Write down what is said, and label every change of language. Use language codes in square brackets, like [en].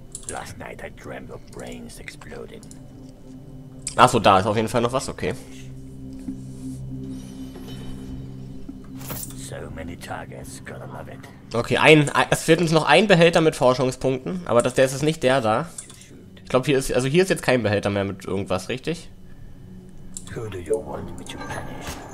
[en] Last night I dreamt of brains exploding. [de] Achso, da ist auf jeden Fall noch was, okay. [en] So many targets, gotta love it. [de] Okay, es fehlt uns noch ein Behälter mit Forschungspunkten, aber das, der ist es nicht, der da. Ich glaube, hier ist jetzt kein Behälter mehr mit irgendwas, richtig? [en] Who do you want me to punish?